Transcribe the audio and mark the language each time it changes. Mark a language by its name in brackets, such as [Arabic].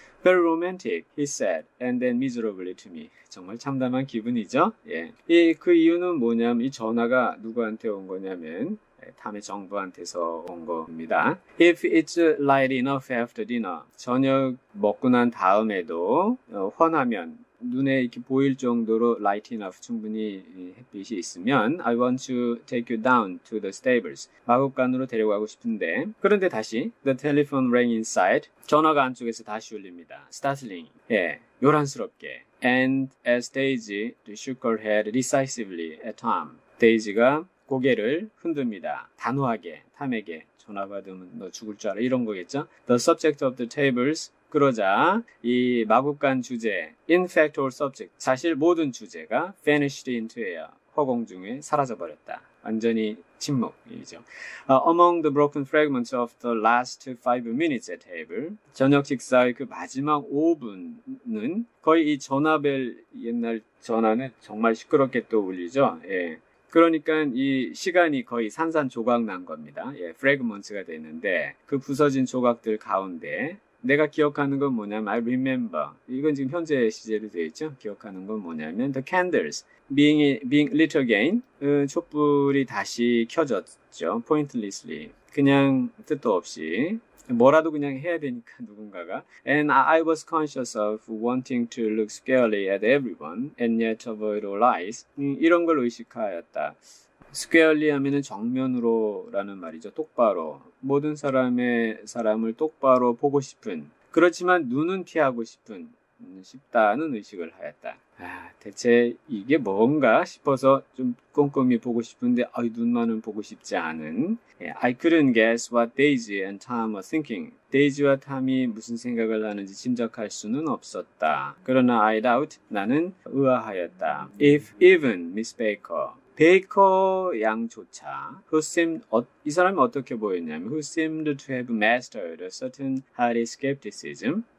[English] felt romantic, he said, and then miserably to me. [Korean] 정말 참담한 기분이죠? 예. 이, 그 이유는 뭐냐면, 이 전화가 누구한테 온 거냐면, 탐의 정부한테서 온 겁니다. [English] If it's light enough after dinner, [Korean] 저녁 먹고 난 다음에도 환하면, 눈에 이렇게 보일 정도로 [English] light enough, [Korean] 충분히 햇빛이 있으면, [English] I want to take you down to the stables. [Korean] 마구간으로 데려가고 싶은데, 그런데 다시, [English] the telephone rang inside. [Korean] 전화가 안쪽에서 다시 울립니다. Startling. 예, 요란스럽게. [English] And as Daisy shook her head decisively at Tom, [Korean] Daisy가 고개를 흔듭니다. 단호하게, 탐에게, 전화 받으면 너 죽을 줄 알아. 이런 거겠죠? [English] The subject of the tables. [Korean] 그러자, 이 마구간 주제, [English] in fact or subject. [Korean] 사실 모든 주제가 [English] vanished into air. [Korean] 허공 중에 사라져버렸다. 완전히 침묵이죠. [English] Among the broken fragments of the last 5 minutes at table. [Korean] 저녁 식사의 그 마지막 5분은 거의 이 전화벨, 옛날 전화는 정말 시끄럽게 또 울리죠. 예. 그러니까 이 시간이 거의 산산조각 난 겁니다. 예, fragments가 됐는데 그 부서진 조각들 가운데 내가 기억하는 건 뭐냐면 [English] I remember. [Korean] 이건 지금 현재 시제로 되어 있죠. 기억하는 건 뭐냐면 [English] the candles being lit again. [Korean] 촛불이 다시 켜졌죠. pointlessly. 그냥 뜻도 없이 뭐라도 그냥 해야 되니까 누군가가. [English] And I was conscious of wanting to look squarely at everyone and yet avoid all eyes. [Korean] 이런 걸 의식하였다. Squarely 하면은 정면으로라는 말이죠. 똑바로. 모든 사람을 똑바로 보고 싶은. 그렇지만 눈은 피하고 싶은. 싶다는 의식을 하였다. 아, 대체 이게 뭔가 싶어서 좀 꼼꼼히 보고 싶은데, 아, 눈만은 보고 싶지 않은. [English] I couldn't guess what Daisy and Tom were thinking. [Korean] Daisy와 Tom이 무슨 생각을 하는지 짐작할 수는 없었다. 그러나 [English] I doubt, [Korean] 나는 의아하였다. [English] If even Miss Baker, [Korean] 베이커 양조차, [English] who seemed, [Korean] 이 사람이 어떻게 보였냐면, [English] who seemed to have mastered a certain hearty skepticism.